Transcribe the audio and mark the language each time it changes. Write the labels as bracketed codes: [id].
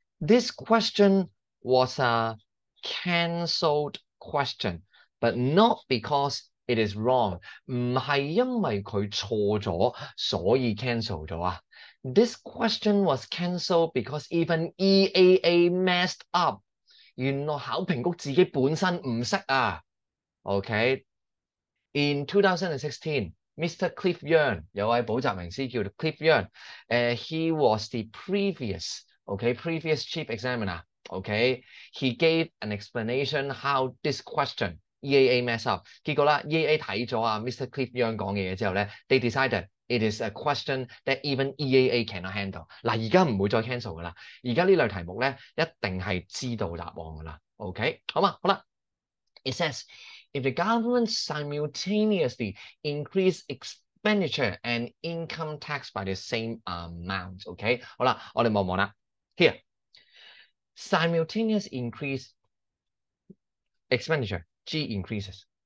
[en] This question was a cancelled question, but not because It is wrong. [yue] 唔係因為佢錯咗，所以 cancel 咗啊。 [en] This question was cancelled because even EAA messed up. [yue] 原來考評局自己本身唔識啊。 [en] OK. In 2016, Mr. Cliff Yearn, [yue] 有位補習名師叫 [en] Cliff Yearn, he was the previous, okay, previous chief examiner. Okay. He gave an explanation how this question. EAA mess up. [yue] 結果啦 EAA 睇咗啊 Mr. [en] Cliff Young [yue] 講嘅嘢之後呢 [en] they decided it is a question that even EAA cannot handle. [yue] 嗱而家唔會再 cancel 㗎啦。而家呢類題目呢一定係知道答案㗎啦。 OK? 好嘛好啦。 [en] It says, if the government simultaneously increase expenditure and income tax by the same amount, OK? [yue] 好啦我哋望望啦。 [en] Here. Simultaneous increase expenditure. G increases.